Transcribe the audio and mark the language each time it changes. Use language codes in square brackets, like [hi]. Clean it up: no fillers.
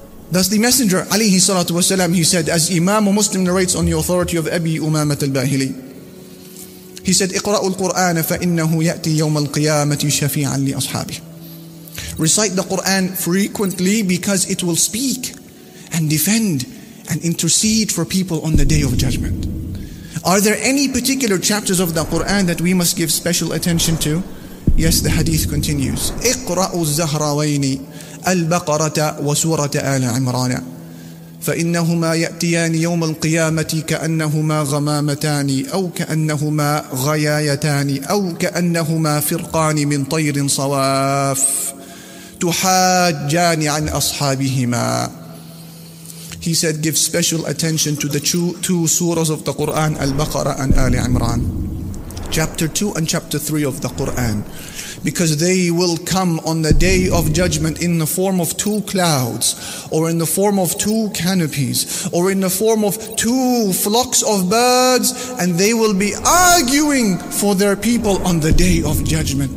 [en] Thus the Messenger, alayhi salatu wasalam, he said, as Imam Muslim narrates on the authority of Abi Umamah al-Bahili, he said, [ar] اقرأوا القرآن فإنه يأتي يوم القيامة شفيعا لأصحابه. [en] Recite the Quran frequently because it will speak and defend and intercede for people on the Day of Judgment. Are there any particular chapters of the Quran that we must give special attention to? Yes, the hadith continues. [ar] اقرأوا الزهراوين البقرة وسورة آل عمران فإنهما يأتيان يوم القيامة كأنهما غمامتان أو كأنهما غيايتان أو كأنهما فرقان من طير صواف تحاجان عن أصحابهما. [en] He said, give special attention to the two surahs of the Quran, Al-Baqarah and Ali Imran. Chapter 2 and chapter 3 of the Quran. Because they will come on the Day of Judgment in the form of two clouds, or in the form of two canopies, or in the form of two flocks of birds, and they will be arguing for their people on the Day of Judgment.